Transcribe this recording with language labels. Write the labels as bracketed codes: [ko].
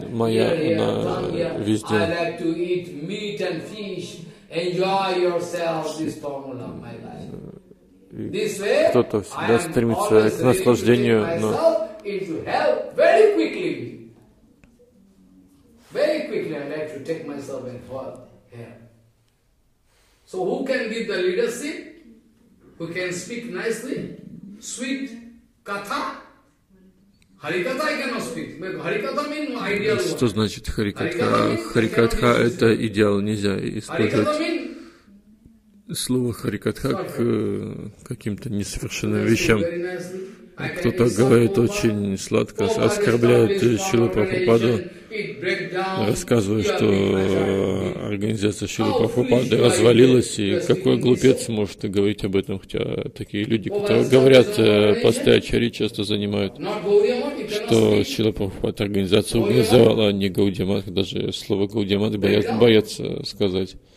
[en] Maya, here, here, tongue here. I like to eat meat and fish. Enjoy yourself this formula of my life. This way, [ru] кто-то всегда стремится к наслаждению, но... [en] into hell very quickly. Very quickly I like to take myself and fall here. So who can give the leadership? Who can speak nicely? Sweet katha? Harikatha I cannot speak. But harikatha means my ideal. [ru] Что значит харикатха? Харикатха – это идеал, нельзя использовать слово харикатха к каким-то несовершенным вещам. Кто-то говорит очень сладко, оскорбляет Шрилу Прабхупаду, рассказывает, что организация Шрилы Прабхупады развалилась, и какой глупец может говорить об этом, хотя такие люди, которые говорят, посты Ачари часто занимают, что Шрила Прабхупада организация организовала, а не Гауди Матх, даже слово Гауди Матх боятся сказать.